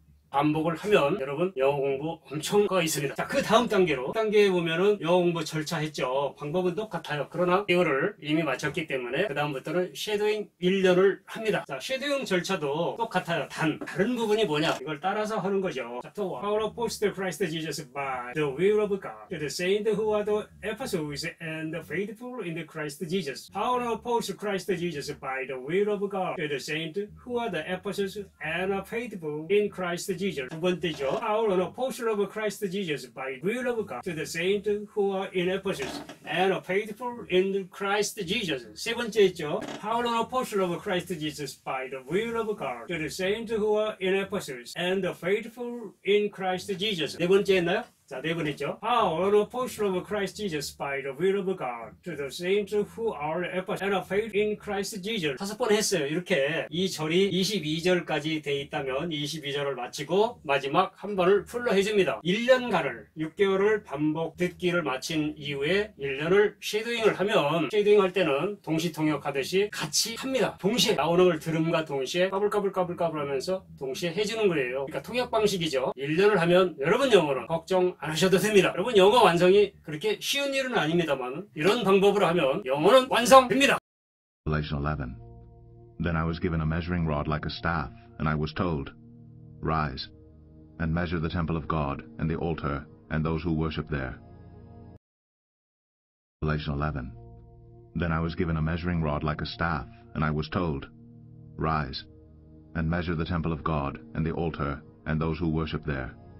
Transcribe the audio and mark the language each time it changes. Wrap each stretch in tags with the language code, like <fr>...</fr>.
<ko>반복을 하면 여러분 영어 공부 엄청 거 있습니다. 자, 그 다음 단계로 단계에 보면은 영어 공부 절차 했죠. 방법은 똑같아요. 그러나 이거를 이미 마쳤기 때문에 그 다음부터는 쉐도잉 1년을 합니다. 자, 쉐도잉 절차도 똑같아요. 단 다른 부분이 뭐냐? 이걸 따라서 하는 거죠.</ko> <en>자, to all apostles Christ Jesus by the will of God, to the saints who are the apostles and the faithful in the Christ Jesus, all apostles Christ Jesus by the will of God, to the saints who are the apostles and the faithful in Christ Jesus.</en> <ko>두 번째죠.</ko> <en>Paul, an apostle of Christ Jesus by will of God, to the saints who are in Ephesus and are faithful in Christ Jesus.</en> <ko>세 번째죠.</ko> <en>Paul, an apostle of Christ Jesus by the will of God, to the saints who are in Ephesus and are faithful in Christ Jesus.</en> <ko>네 번째 했나요? 자, 네 번째죠.</ko> <en>Paul, an apostle of Christ Jesus by the will of God, to the saints who are in Ephesus and are faithful in Christ Jesus.</en> <ko>다섯 번 했어요. 이렇게 이 절이 22절까지 돼 있다면 22절을 마치고 마지막 한 번을 풀로 해줍니다. 1년간을 6개월을 반복 듣기를 마친 이후에 1년을 쉐도잉을 하면, 쉐도잉 할 때는 동시통역하듯이 같이 합니다. 동시에 나오는 걸 들음과 동시에 까불까불까불까불 하면서 동시에 해주는 거예요. 그러니까 통역 방식이죠. 1년을 하면 여러분 영어는 걱정 안 하셔도 됩니다. 여러분, 영어 완성이 그렇게 쉬운 일은 아닙니다만, 이런 방법으로 하면 영어는 완성됩니다.</ko> <en>Revelation 11. Then I was given a measuring rod like a staff, and I was told, Rise, and measure the temple of God, and the altar, and those who worship there. Revelation 11. Then I was given a measuring rod like a staff, and I was told, Rise, and measure the temple of God, and the altar, and those who worship there.</en>